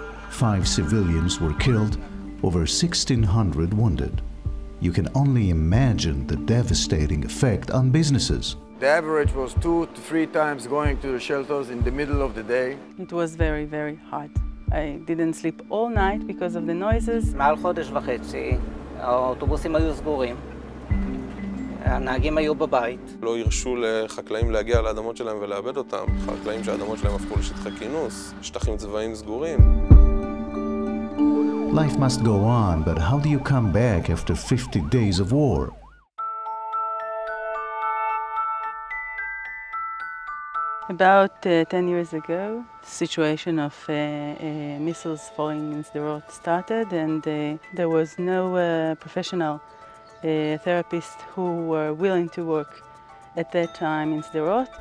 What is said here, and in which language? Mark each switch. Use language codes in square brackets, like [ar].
[en] Five civilians were killed, over 1,600 wounded. You can only imagine the devastating effect on businesses. The average was 2 to 3 times going to the shelters in the middle of the day. It was very, very hot. I didn't sleep all night because of the noises. [he] מעל חודש וחצי, האוטובוסים היו סגורים. הנהגים היו בבית. לא הרשו לחקלאים להגיע לאדמות שלהם ולאבד אותם. חקלאים שהאדמות שלהם הפכו לשטחי כינוס, שטחים צבאיים סגורים. [en] Life must go on, but how do you come back after 50 days of war? About 10 years ago, the situation of missiles falling in Sderot started, and there was no professional therapist who were willing to work at that time in Sderot.